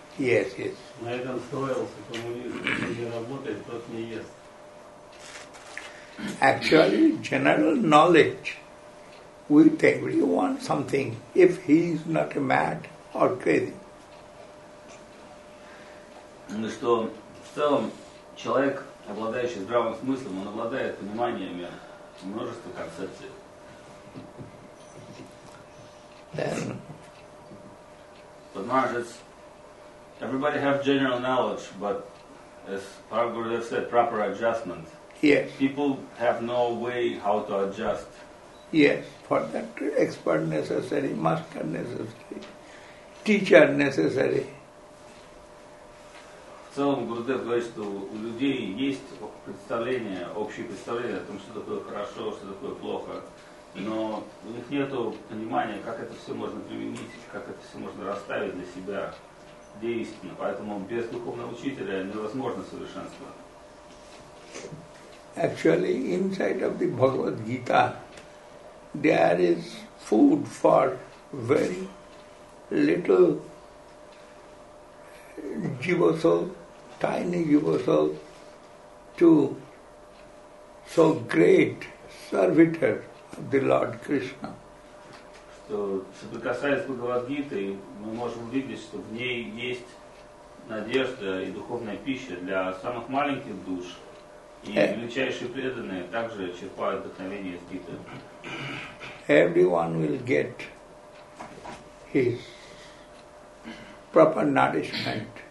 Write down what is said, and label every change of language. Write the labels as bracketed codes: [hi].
[en] Yes, yes. Actually, general knowledge with everyone something if he is not mad or crazy. [ru] Ну что, в целом, человек, обладающий здравым смыслом, он обладает пониманиями множества концепций. [en] Then, but Marjits, everybody have general knowledge, but as Prabhu Gurudev said, proper adjustment. Yes. People have no way how to adjust. Yes, for that expert necessary, master necessary, teacher necessary. [ru] В целом Гурудев говорит, что у людей есть представление, общее представление о том, что такое хорошо, что такое плохо, но у них нет понимания, как это все можно применить, как это все можно расставить для себя действенно. Поэтому без духовного учителя невозможно совершенство. [en] Actually, inside of the Bhagavad Gita, there is food for very little jiva-soul, tiny jiva-soul, to so great servitor of the Lord Krishna. [ru] Что касается Бхагавад Гиты, мы можем увидеть, что в ней есть надежда и духовная пища для самых маленьких душ. И величайшие преданные также черпают вдохновение из Гиты. [en] Everyone will get his proper nourishment.